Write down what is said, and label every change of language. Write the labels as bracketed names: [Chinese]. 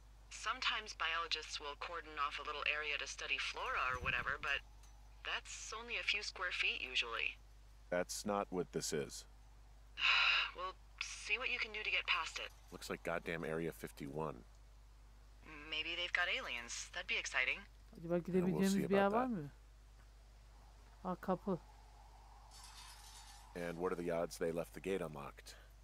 [English] Sometimes biologists will cordon off a little area to study flora or whatever, but that's only a few square feet usually. That's not what this is. We'll see what you can do to get past it. Looks like goddamn Area 51. Maybe they've got aliens. That'd be exciting. [Turkish] Acaba gidebileceğimiz bir yer var mı? Ah, kapı. [English] And what are the odds they left the gate unlocked?